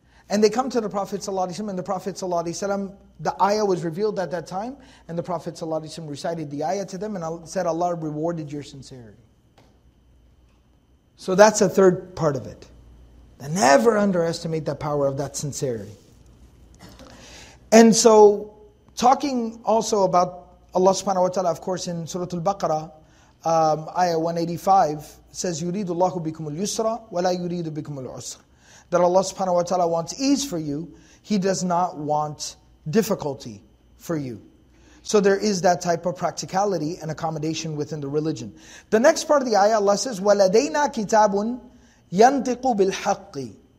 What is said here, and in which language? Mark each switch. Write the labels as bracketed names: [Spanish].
[English] And they come to the Prophet ﷺ, and the Prophet ﷺ, the ayah was revealed at that time, and the Prophet ﷺ recited the ayah to them and said, Allah rewarded your sincerity. So that's the third part of it. They never underestimate the power of that sincerity. And so, talking also about Allah subhanahu wa ta'ala, of course, in Surah Al-Baqarah, [Arabic] Ayah 185 says, يُرِيدُ اللَّهُ بِكُمُ الْيُسْرَ وَلَا يُرِيدُ بِكُمُ الْعُسْرَ. [English] That Allah subhanahu wa ta'ala wants ease for you, He does not want difficulty for you. So there is that type of practicality and accommodation within the religion. [Arabic] The next part of the ayah, Allah says, وَلَدَيْنَا كِتَابٌ يَنْتِقُ بِالْحَقِّ.